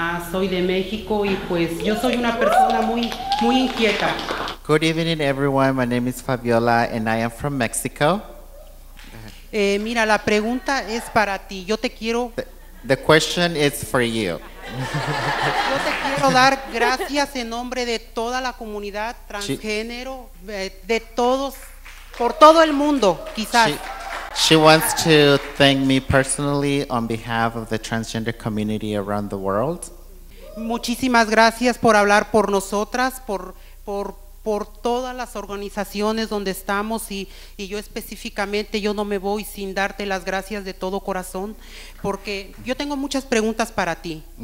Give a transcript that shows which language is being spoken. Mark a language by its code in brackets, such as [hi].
[es] Soy de México y pues yo soy una persona muy muy inquieta. [en] Good evening, everyone. My name is Fabiola and I am from Mexico. [es] Mira, la pregunta es para ti. Yo te quiero. [en] The question is for you. [es] Yo te quiero dar gracias en nombre de toda la comunidad transgénero de todos. Por todo el mundo, quizás. [en] She wants to thank me personally on behalf of the transgender community around the world. [es] Muchísimas gracias por hablar por nosotras, por todas las organizaciones donde estamos y yo específicamente yo no me voy sin darte las gracias de todo corazón porque yo tengo muchas preguntas para ti.